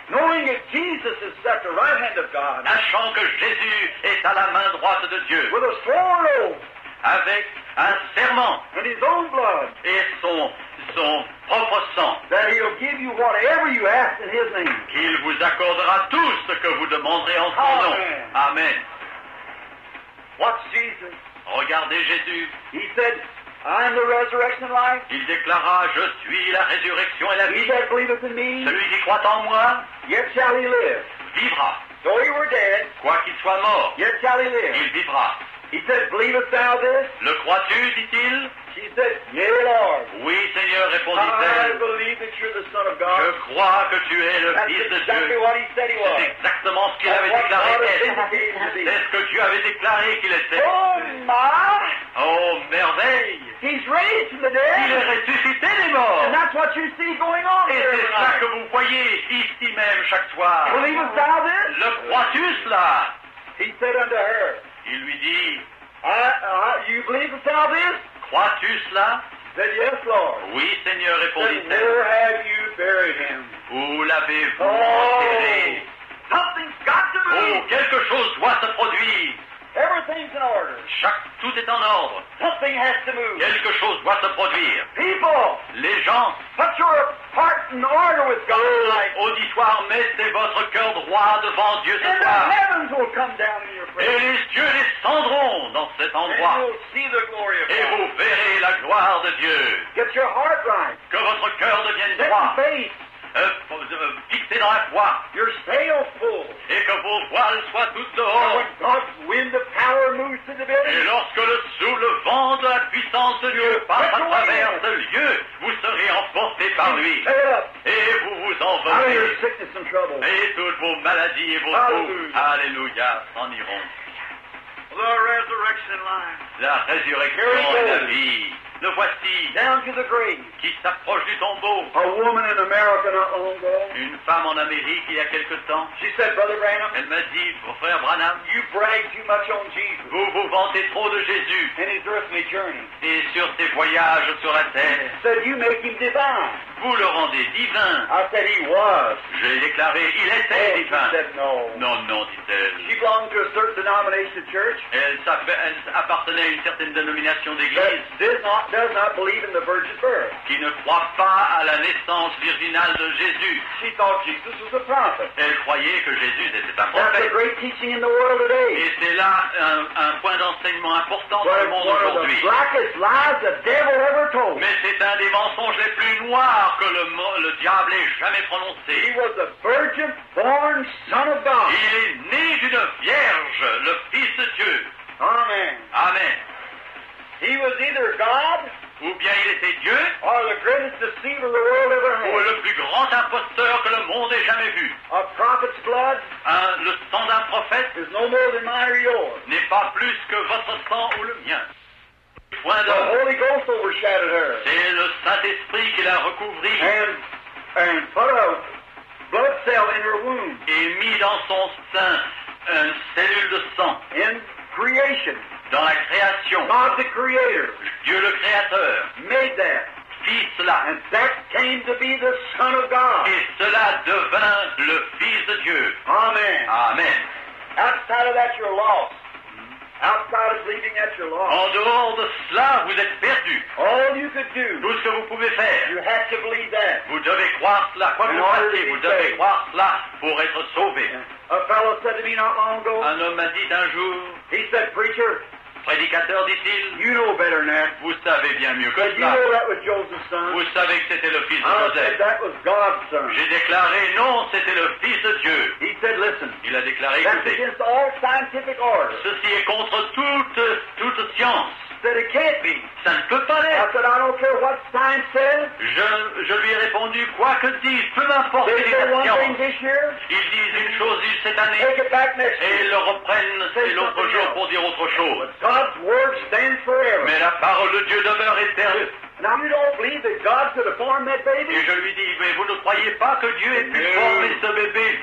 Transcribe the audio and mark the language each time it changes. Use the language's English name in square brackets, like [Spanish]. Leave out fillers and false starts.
[English] knowing that Jesus is at the right hand of God, [French] sachant que Jésus est à la main droite de Dieu, [English] with a sworn oath, [French] avec un serment [English] and his own blood, [French] et son propre sang, [English] that he'll give you whatever you ask in his name. [French] Qu'il vous accordera tout ce que vous demanderez en son nom. [English] Amen. What's Jesus? [French] Regardez Jésus. [English] He said, I'm the resurrection and life. [French] Il déclara, je suis la résurrection et la vie. [English] He that believeth in me, [French] celui qui croit en moi, [English] yet shall he live. [French] Vivra. [English] Though he were dead, [French] quoi qu'il soit mort, [English] yet shall he live. [French] Il vivra. [English] He said, believest thou this? [French] Le crois-tu, dit-il? [English] She said, yea, Lord. [French] Oui, Seigneur, répondit-elle. [English] I believe that you're the Son of God. [French] Je crois que tu es le [English] That's [French] Fils [English] exactly [French] de Dieu. [English] That's what he said he was. [French] C'est exactement ce qu'il avait déclaré. C'est ce que Dieu avait déclaré qu'il était. [English] Oh, my! [French] Oh, merveille! [English] He's raised from the dead. [French] Il est ressuscité des morts. [English] And that's what you see going on. [French] Et [English] here [French] c'est ça que vous voyez ici même chaque soir. [English] Believest thou this? [French] Le crois-tu cela? [English] He said unto her. [French] Il lui dit. [English] You believe thou this? [French] Crois-tu cela? [English] Said yes, Lord. [French] Oui, Seigneur, répondit-elle. [English] Where have you buried him? [French] Où l'avez-vous enterré? [English] Something's got to move. [French] Oh, quelque chose doit se produire. [English] Everything's in order. [French] Tout est en ordre. [English] Something has to move. [French] Quelque chose doit se produire. [English] People. [French] Les gens. [English] Put your heart in order with God. [French] Auditoire, mettez votre cœur droit devant Dieu ce soir. [English] And the heavens will come down in your presence. [French] Et les cieux descendront dans cet endroit. [English] And you'll see the glory of God. [French] Et vous verrez la gloire de Dieu. [English] Get your heart right. [French] Que votre cœur devienne [English] Get [French] droit. [English] In faith. [French] Fixé dans la foi. [English] Your sail full. [French] Et que vos voiles soient toutes dehors. [English] When God's wind of power moves to the building, [French] et lorsque le vent de la puissance de Dieu passe à travers ce lieu, vous serez emporté par lui. Et vous vous envolez. Et toutes vos maladies et vos maux, alléluia, s'en iront. [English] The resurrection line. [French] La résurrection et la vie. Le voici. [English] Down to the grave. [French] Qui s'approche du tombeau. [English] A woman in America not long ago. [French] Une femme en Amérique il y a quelque temps. [English] She said, Brother Branham. [French] Elle m'a dit, Frère Branham. [English] You brag too much on Jesus. [French] Vous vous vantez trop de Jésus. [English] In his earthly journey. [French] Et sur ses voyages sur la terre. [English] Said you make him divine. [French] Vous le rendez divin. [English] I said he was. [French] Je l'ai déclaré, il était divin. [English] She said no. [French] Non, non, dit-elle. [English] She belonged to a certain denomination of church. [French] Elle appartenait à une certaine dénomination d'église. [English] Does not believe in the virgin birth. [French] Qui ne croit pas à la naissance virginale de Jésus. [English] She thought Jesus was a prophet. [French] Elle croyait que Jésus était un prophète. [English] That's a great teaching in the world today. [French] Et c'est là un point d'enseignement important [English] But [French] dans le monde aujourd'hui. [English] The blackest lies the devil ever told. [French] Mais c'est un des mensonges les plus noirs que le diable ait jamais prononcé. [English] He was a virgin born son of God. [French] Il est né d'une vierge, le Fils de Dieu. [English] Amen. [French] Amen. [English] He was either God, [French] ou bien il était Dieu, [English] or the greatest deceiver the world ever had. [French] Ou le plus grand imposteur que le monde ait jamais vu. [English] A prophet's blood, [French] le sang d'un prophète, [English] is no more than mine or yours. [French] N'est pas plus que votre sang ou le mien. [English] Point the Holy Ghost overshadowed her. [French] C'est le Saint-Esprit qui l'a recouvri. [English] And put a blood cell in her womb. [French] Et mis dans son sein une cellule de sang. [English] In creation. [French] Dans la création, [English] God the Creator, [French] Dieu le Créateur, [English] made that, [French] fit cela, [English] and that came to be the Son of God. [French] Et cela devint le Fils de Dieu. [English] Amen. [French] Amen. [English] Outside of that, you're lost. Outside of believing that, you're lost. [French] En dehors de cela, vous êtes perdu. [English] All you could do, [French] tout ce que vous pouvez faire, [English] you have to believe that. [French] Vous devez croire cela. Quoi que vous fassiez, vous devez croire cela pour être sauvé. [English] A fellow said to me not long ago. [French] Un homme m'a dit un jour. [English] He said, "Preacher." [French] Prédicateur, dit-il. [English] You know better than that. [French] Vous savez bien mieux que cela. [English] Did you know that was Joseph's son? [French] Vous savez que c'était le fils de Joseph. [English] I said that was God's son. [French] J'ai déclaré non, c'était le fils de Dieu. [English] He said, "Listen." [French] Il a déclaré. [English] That's against all scientific order. [French] Ceci est contre toute science. [English] Said it can't be. [French] Ça ne peut pas être. [English] I said, "I don't care what science says." [French] Je lui ai répondu, quoi que dise, peu m'importe les questions. Ils disent une chose cette année, [English] take it back next [French] et ils le reprennent l'autre jour pour dire autre chose. [English] God's word stands forever. [French] Mais la parole de Dieu demeure éternelle. [English] Now you don't believe that God could have formed that baby? [French] Et je lui dis, mais vous ne croyez pas que Dieu ait pu former ce bébé?